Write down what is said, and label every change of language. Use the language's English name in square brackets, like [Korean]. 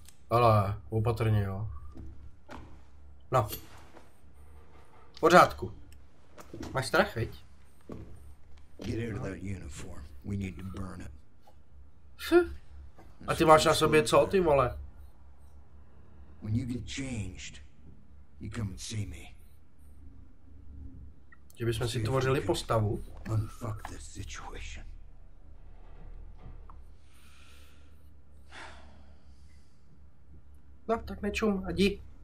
[Czech] Ale opatrně, jo. No. V pořádku. Máš strach, viď? [English] Get out of that uniform. We need to burn it. [Czech] A ty máš na sobě co, ty vole? [English] When you get changed, you come and see me. [Czech] Že bychom si tvořili postavu. [English] Unfuck this situation. [Czech] No, tak nečum, a jdi.